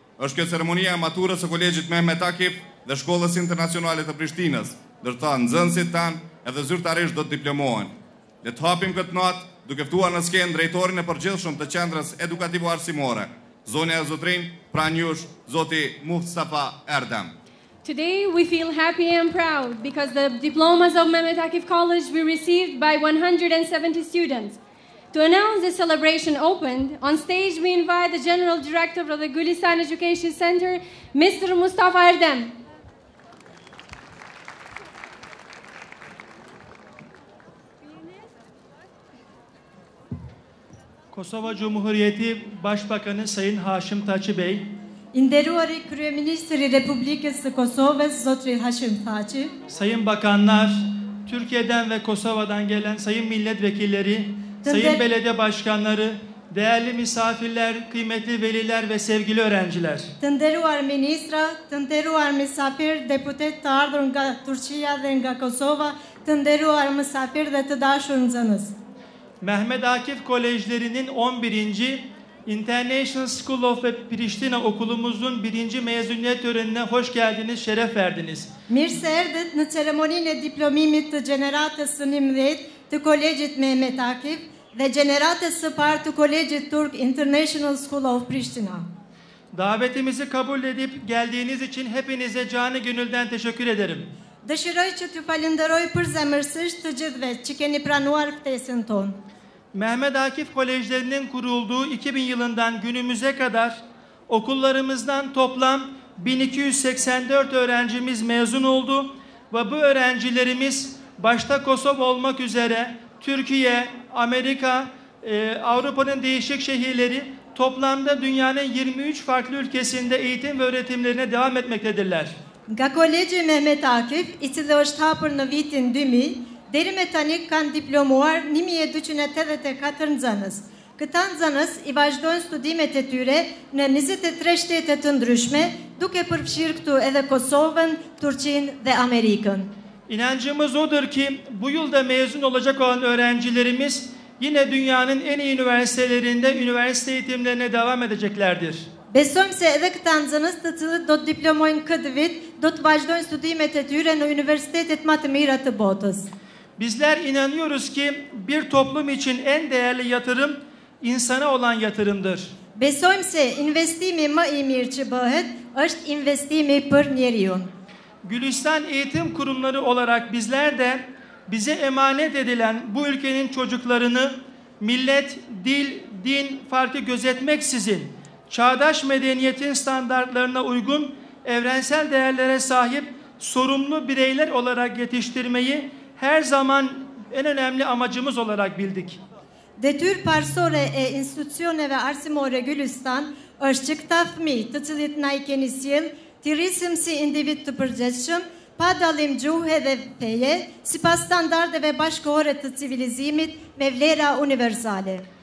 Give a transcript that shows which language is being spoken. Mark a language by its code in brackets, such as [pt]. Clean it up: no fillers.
[sq] Është kjo ceremonia e maturës së Kolegjit Mehmet Akif dhe Shkollës Internacionale të Prishtinës, ndërsa nxënësit tanë edhe zyrtarisht do të diplomohen. Le të hapim këtë natë duke ftuar në skenë drejtorin e përgjithshëm të Qendrës Edukative Arsimore, zonja e zotrin, pran jush, zoti Mustafa Erdem. [en] Today we feel happy and proud because the diplomas of Mehmet Akif College we received by 170 students. To announce the celebration opened, on stage we invite the General Director of the Gulistan Education Center, Mr. Mustafa Erdem. [tr] Kosova Cumhuriyeti Başbakanı Sayın Haşim Taçi Bey. [sq] Nderuari Kryeministri I Republikës së Kosovës, Zotri Haşim Taçi. [tr] Sayın Bakanlar, Türkiye'den ve Kosova'dan gelen Sayın Milletvekilleri, Sayın Belediye Başkanları, değerli misafirler, kıymetli veliler ve sevgili öğrenciler. [sq] Të nderuar ministra, të nderuar misafir, deputet të ardhur nga Turqia dhe nga Kosova, të nderuar misafir dhe të dashur nxënës. [tr] Mehmet Akif Kolejlerinin 11. International School of Pristina okulumuzun 1. mezuniyet törenine hoş geldiniz, şeref verdiniz. [sq] Mirse erdit në ceremonin e diplomimit të generatës së 11 të Kolejit Mehmet Akif dhe generatës së par të Kolejit Turk International School of Pristina. [tr] Davetimizi kabul edip geldiğiniz için hepinize canı gönülden teşekkür ederim. [sq] Dëshiroj që t'ju falenderoj përzemërsisht të gjithëve që keni pranuar ftesën tonë. [tr] Mehmet Akif Kolejlerinin kurulduğu 2000 yılından günümüze kadar okullarımızdan toplam 1284 öğrencimiz mezun oldu ve bu öğrencilerimiz başta Kosova olmak üzere Türkiye, Amerika, Avrupa'nın değişik şehirleri toplamda dünyanın 23 farklı ülkesinde eğitim ve öğretimlerine devam etmektedirler. [sq] Nga Kolegji Mehmet Akif, i cili është hapur në vitin 2000, deri me tani kanë diplomuar 1284 nxënës. Këta nxënës i vazhdojnë studimet e tyre në 23 shtete të ndryshme, duke përfshirë këtu edhe Kosovën, Turqinë dhe Amerikën. [tr] İnancımız odur ki bu yılda mezun olacak olan öğrencilerimiz yine dünyanın en iyi üniversitelerinde üniversite eğitimlerine devam edeceklerdir. [sq] Besojmë se edhe këta nxënës të cilët do të diplomojnë këtë vit, do të vazhdojnë studimet e tyre në universitetet më të mira të botës. [tr] Bizler inanıyoruz ki bir toplum için en değerli yatırım insana olan yatırımdır. [sq] Besojmë se investimi më i mirë që bëhet është investimi për njeriu. [tr] Gülistan Eğitim Kurumları olarak bizler de bize emanet edilen bu ülkenin çocuklarını millet, dil, din farkı gözetmeksizin çağdaş medeniyetin standartlarına uygun evrensel değerlere sahip sorumlu bireyler olarak yetiştirmeyi her zaman en önemli amacımız olarak bildik. [sq] Detyrë parsore e institucioneve arsimore Gülistan është që këta fëmijë të cilët na i keni sjell, të rrisim si individ të përgjithshëm, pa dallim gjuhe dhe feje, sipas standardeve bashkëore të civilizimit me vlera universale.